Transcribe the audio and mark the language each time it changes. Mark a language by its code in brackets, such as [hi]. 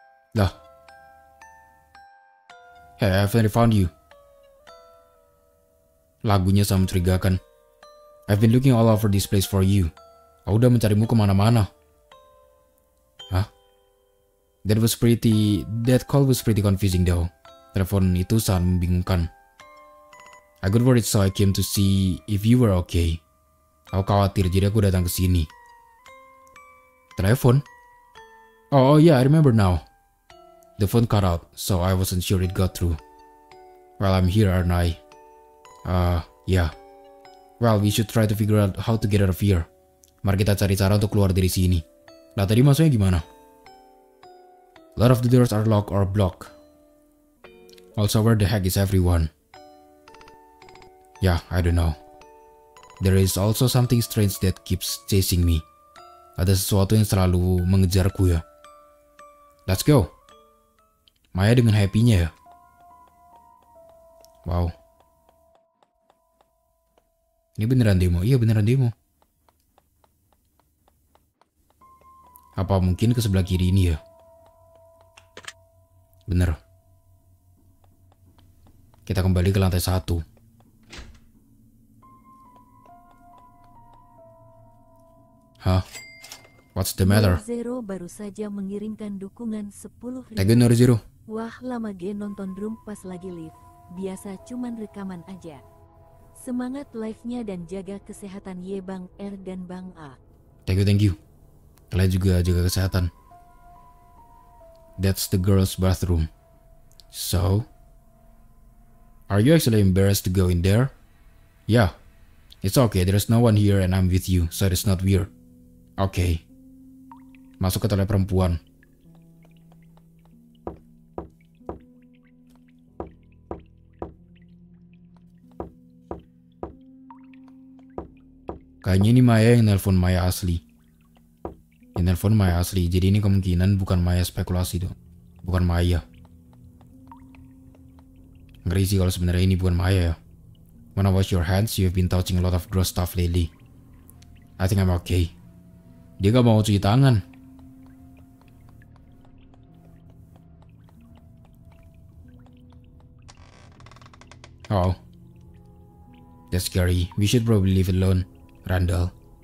[id] Dah. [en] Hey, I finally found you. [id] Lagunya sangat mencurigakan. [en] I've been looking all over this place for you. [id] Aku udah mencarimu kemana-mana. Hah? [en] That call was pretty confusing though. [id] Telepon itu sangat membingungkan. [en] I got worried so I came to see if you were okay. [id] Aku khawatir jadi aku datang ke sini. [en] Telepon? Oh, yeah, I remember now. The phone cut out, so I wasn't sure it got through. Well, I'm here, aren't I? Yeah. Well, we should try to figure out how to get out of here. [id] Mari kita cari cara untuk keluar dari sini. Lah tadi maksudnya gimana? [en] A lot of the doors are locked or blocked. Also, where the heck is everyone? Yeah, I don't know. There is also something strange that keeps chasing me. [id] Ada sesuatu yang selalu mengejarku ya. [en] Let's go. [id] Maya dengan happy-nya ya. Wow. Ini beneran demo? Iya beneran demo. Apa mungkin ke sebelah kiri ini ya? Bener. Kita kembali ke lantai satu. [en] Hah? What's the matter? [id] Zero baru saja mengirimkan dukungan 10.000. [en] Thank you, Nori Zero. [id] Wah, lama gue nonton Room pas lagi live. Biasa cuman rekaman aja. Semangat live-nya dan jaga kesehatan ye Bang R dan Bang A. [en] Thank you. [id] Kalian juga jaga kesehatan. [en] That's the girl's bathroom. So, are you actually embarrassed to go in there? Yeah. It's okay, there's no one here and I'm with you, so it's not weird. Okay. [id] Masuk ke toilet perempuan. Kayaknya ini Maya yang nelpon Maya asli. Yang nelpon Maya asli. Jadi ini kemungkinan bukan Maya spekulasi dong. Bukan Maya. Ngeri sih kalau sebenarnya ini bukan Maya ya. [en] When I wash your hands, you've been touching a lot of gross stuff lately. I think I'm okay. [id] Dia gak mau cuci tangan. [en] Oh. That's scary. We should probably leave it alone, Randall.